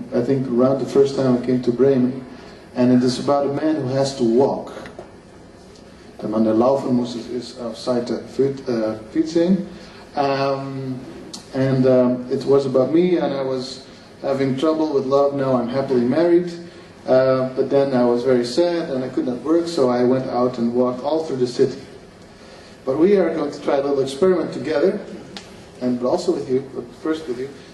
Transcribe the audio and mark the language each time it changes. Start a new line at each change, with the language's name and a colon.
English: I think around the first time I came to Bremen. And it is about a man who has to walk.
German: Der Mann, der laufen muss, ist auf Seite 14.
English: It was about me, and I was having trouble with love. Now I'm happily married. But then I was very sad and I could not work, so I went out and walked all through the city. But we are going to try a little experiment together, and but also with you, but first with you.